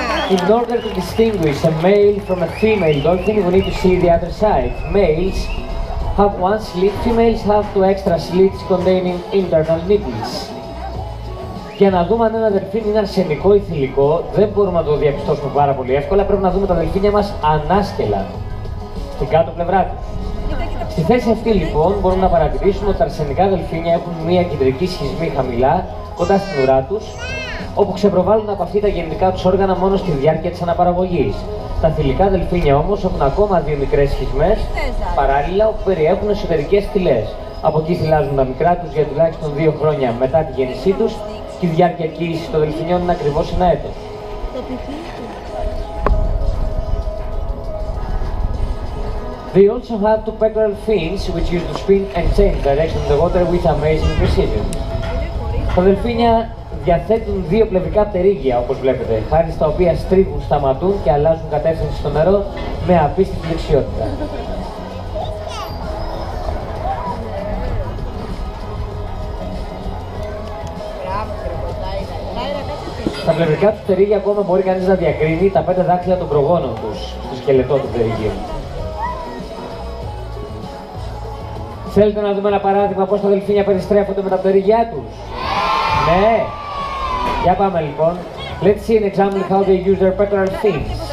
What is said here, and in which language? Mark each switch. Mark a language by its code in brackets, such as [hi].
[en] In order to distinguish a male from a female dolphin, we need to see the other side. Males have one slit, females have two extra slits containing internal needles. [el] Για να δούμε αν ένα δελφίνι είναι αρσενικό ή θηλυκό, δεν μπορούμε να το διαπιστώσουμε πάρα πολύ εύκολα, πρέπει να δούμε τα δελφίνια μας ανάσκελα, στην κάτω πλευρά του. Στη θέση αυτή λοιπόν μπορούμε να παρατηρήσουμε ότι τα αρσενικά δελφίνια έχουν μία κεντρική σχισμή χαμηλά κοντά στην ουρά τους, όπου ξεπροβάλλουν από αυτή τα γεννητικά τους όργανα μόνο στη διάρκεια της αναπαραγωγής. Τα θηλυκά δελφίνια όμως έχουν ακόμα δύο μικρές σχισμές παράλληλα όπου περιέχουν εσωτερικές θηλές. Από εκεί θυλάζουν τα μικρά τους για τουλάχιστον 2 χρόνια μετά τη γέννησή τους και η διάρκεια κύλησης των δελφινιών είναι ακριβώς 1 έτος. [en] They also have two pectoral fins, which use to spin and change direction of the water with amazing precision. [el] Τα δελφίνια διαθέτουν δύο πλευρικά πτερύγια, όπως βλέπετε, χάρη στα οποία στρίβουν, σταματούν και αλλάζουν κατεύθυνση στο νερό με απίστευτη δεξιότητα. Στα πλευρικά του πτερύγια ακόμα μπορεί κανείς να διακρίνει τα 5 δάχτυλα των προγόνων τους, στο σκελετό του πτερυγίου. Θέλετε να δούμε ένα παράδειγμα πώς τα δελφίνια περιστρέφονται με τα πτερυγιά τους? Ναι! Για πάμε λοιπόν. [en] Let's see an example how they use their pectoral fins.